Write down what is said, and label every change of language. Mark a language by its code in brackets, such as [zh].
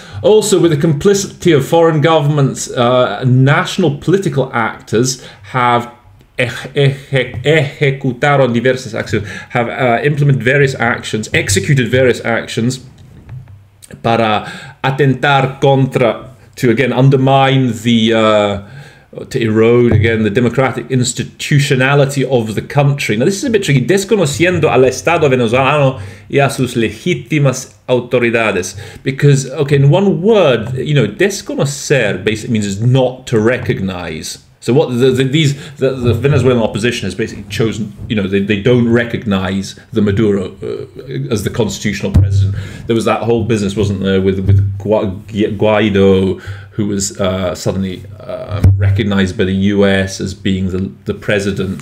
[en] Also, with the complicity of foreign governments, national political actors have implemented various actions, executed various actions [es] para atentar contra, [en] to again undermine to erode again the democratic institutionality of the country. Now this is a bit tricky. [es] Desconociendo al Estado venezolano y a sus legítimas autoridades. [en] Because, okay, in one word, you know, desconocer basically means is not to recognize. So what the Venezuelan opposition has basically chosen, you know, they don't recognize the Maduro as the constitutional president. There was that whole business, wasn't there, with Guaido, who was suddenly recognized by the US as being the president.